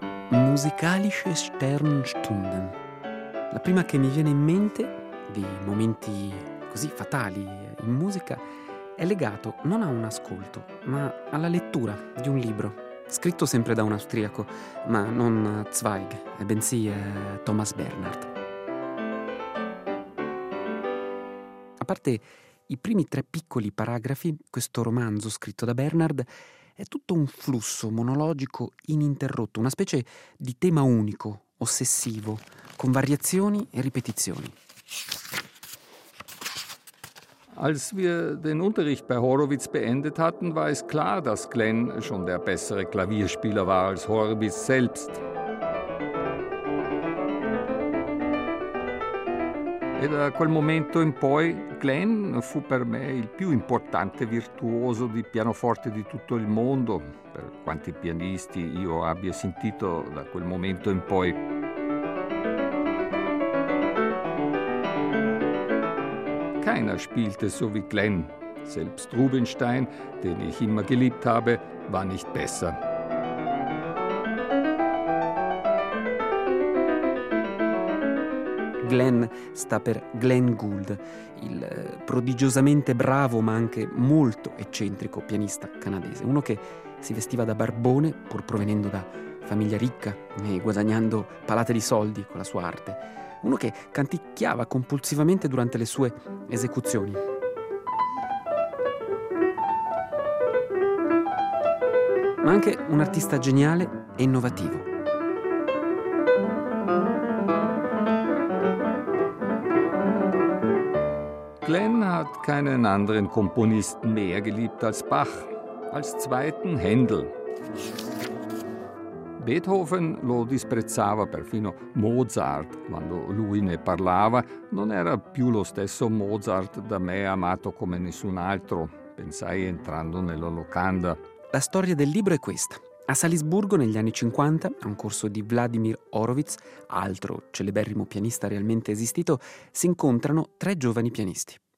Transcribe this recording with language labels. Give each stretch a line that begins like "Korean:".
German: Musicalische Sternstunden.
Italian: La prima che mi viene in mente di momenti così fatali in musica è legato non a un ascolto, ma alla lettura di un libro, scritto sempre da un austriaco, ma non Zweig, bensì Thomas Bernhard. A parte i primi 3 piccoli paragrafi, questo romanzo scritto da Bernhard è tutto un flusso monologico ininterrotto, una specie di tema unico, ossessivo, con variazioni e ripetizioni.
German: Als wir den Unterricht bei Horowitz beendet hatten, war es klar, dass Glenn schon der bessere Klavierspieler war als Horowitz selbst.
Italian: E da quel momento in poi, Glenn fu per me il più importante virtuoso di pianoforte di tutto il mondo, per quanti pianisti io abbia sentito da quel momento in poi.
German: Keiner spielte so wie Glenn. Selbst Rubinstein, den ich immer geliebt habe, war nicht besser.
Italian: Glenn sta per Glenn Gould, il prodigiosamente bravo ma anche molto eccentrico pianista canadese, uno che si vestiva da barbone pur provenendo da famiglia ricca e guadagnando palate di soldi con la sua arte, uno che canticchiava compulsivamente durante le sue esecuzioni. Ma anche un artista geniale e innovativo.
German: Glenn hat keinen anderen Komponisten mehr geliebt als Bach, als zweiten Händel.
Italian: Beethoven lo disprezzava, perfino Mozart, quando lui ne parlava, non era più lo stesso Mozart da me amato come nessun altro, pensai entrando nella locanda. La storia del libro è questa. A Salisburgo, negli anni 50, a un corso di Vladimir Horowitz, altro celeberrimo pianista realmente esistito, si incontrano tre giovani pianisti.